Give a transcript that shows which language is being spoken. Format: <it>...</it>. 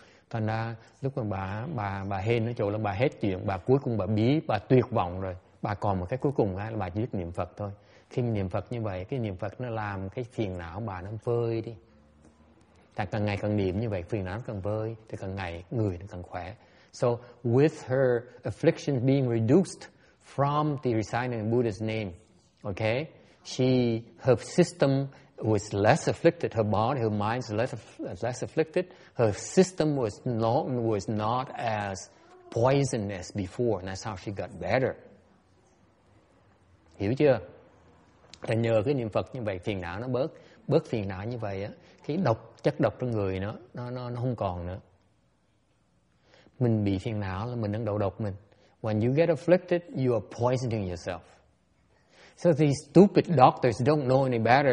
<vi>Thành ra lúc mà bà hên ở chỗ là bà hết chuyện, bà cuối cùng bà bí, bà tuyệt vọng rồi. Bà còn một cái cuối cùng là bà chỉ biết niệm Phật thôi. Khi niệm Phật như vậy, cái niệm Phật nó làm cái phiền não bà nó phơi đi. Càng ngày càng niệm như vậy, phiền não càng vơi, thì càng ngày người nó càng khỏe.</vi> <en>So with her affliction being reduced from the reciting Buddha's name, okay, she, her system was less afflicted, her body, her mind was less afflicted, her system was not as poisonous before, and that's how she got better.</en> <vi>Hiểu chưa? Thì nhờ cái niệm Phật như vậy, phiền não nó bớt, bớt phiền não như vậy á, khi độc,chất độc trong người nó không còn nữa. Mình bị phiền não là mình đang đầu độc mình.</vi> <en>When you get afflicted, you are poisoning yourself. So these stupid doctors don't know any better.</en>